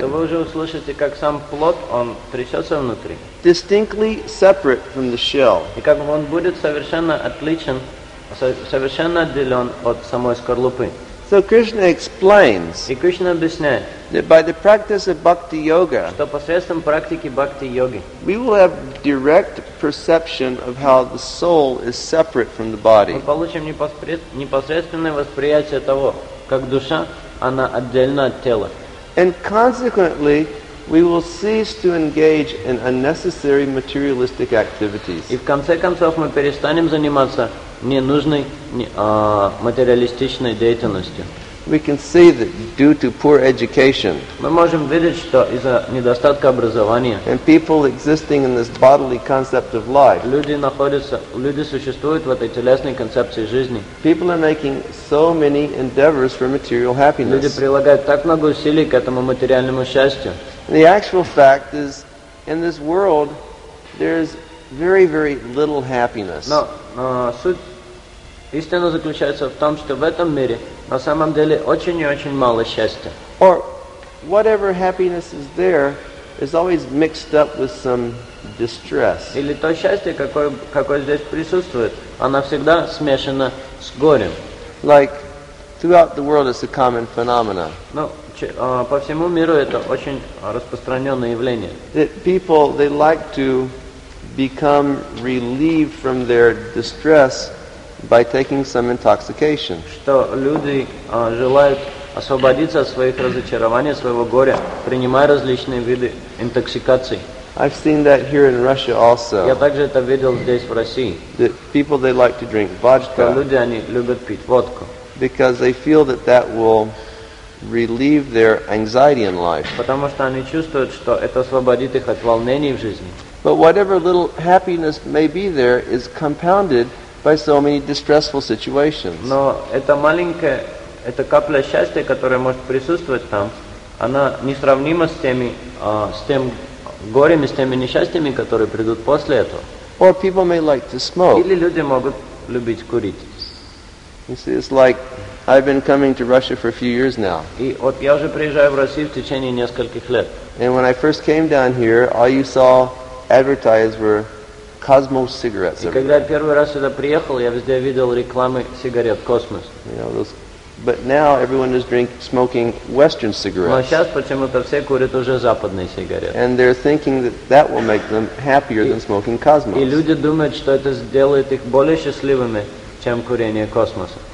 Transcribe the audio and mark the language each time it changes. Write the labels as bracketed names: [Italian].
[Russian] То вы уже услышите, как сам плод, он трясется внутри. [English] Distinctly separate from the shell. [Russian] И как он будет совершенно отделен от самой скорлупы. [English] So Krishna explains [Russian] И Кришна объясняет, [English] that by the practice of Bhakti Yoga, [Russian] что посредством практики Бхакти Йоги, [English] we will have direct perception of how the soul is separate from the body. [Russian] Мы получим непосредственное восприятие того, как душа, она отдельна от тела. [English] And consequently, we will cease to engage in unnecessary materialistic activities. [Russian] И в конце концов мы перестанем заниматься ненужной материалистичной деятельностью. [English] We can see that due to poor education, [Russian] мы можем видеть, что из-за недостатка образования, [English] and people existing in this bodily concept of life, [Russian] люди существуют в этой телесной концепции жизни. [English] People are making so many endeavors for material happiness. [Russian] Люди прилагают так много усилий к этому материальному счастью. [English] The actual fact is, in this world, there is very, very little happiness. [Russian] Но суть истина заключается в том, что в этом мире на самом деле очень и очень мало счастья. [English] Or whatever happiness is there is always mixed up with some distress. [Russian] Или то счастье, какое здесь присутствует, оно всегда смешано с горем. [English] Like throughout the world it's a common phenomenon. [Russian] Ну, по всему миру это очень распространенное явление. [English] That people, they like to become relieved from their distress by taking some intoxication. [Russian] Что люди желают освободиться от своих разочарований, своего горя, принимая различные виды интоксикаций. [English] I've seen that here in Russia also. [Russian] Я также это видел здесь в России. [English] That people, they like to drink vodka. [Russian] Люди, они любят пить водку. [English] Because they feel that that will relieve their anxiety in life. [Russian] Потому что они чувствуют, что это освободит их от волнений в жизни. [English] But whatever little happiness may be there is compounded by so many distressful situations. [Russian] Но эта маленькая, эта капля счастья, которая может присутствовать там, она несравнима с теми, с тем горем и с теми несчастьями, которые придут после этого. [English] Or people may like to smoke. [Russian] Или люди могут любить курить. [English] You see, it's like I've been coming to Russia for a few years now. [Russian] И вот я уже приезжаю в Россию в течение нескольких лет. [English] And when I first came down here, all you saw advertised were Cosmo cigarettes. [Russian] И когда я первый раз сюда приехал, я везде видел рекламы сигарет Cosmos. [English] You know, but now everyone is smoking Western cigarettes. [Russian] Но сейчас почему-то все курят уже западные сигареты. [English] And they're thinking that that will make them happier than smoking Cosmos. [Russian] И люди думают, что это сделает их более счастливыми, чем курение космоса.